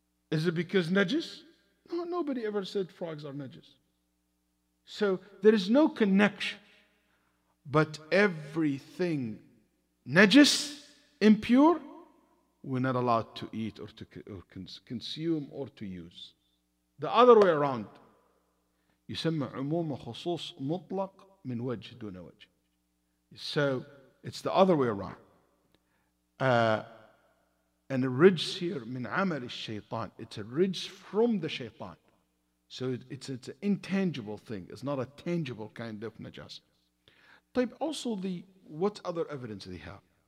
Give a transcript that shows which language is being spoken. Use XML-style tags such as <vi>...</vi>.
<en>Is it because najis? No, nobody ever said frogs are najis. So there is no connection. But everything najis, impure, we're not allowed to eat or to consume or to use. The other way around.</en> <ar>يسمى عموم خصوص مطلق من وجه دون وجه.</ar> <en>So it's the other way around. And a ridge here</en> <ar>من عمل الشيطان.</ar> <en>It's a ridge from the shaytan. So it's an intangible thing. It's not a tangible kind of najas. طيب, also the what other evidence they have?</en>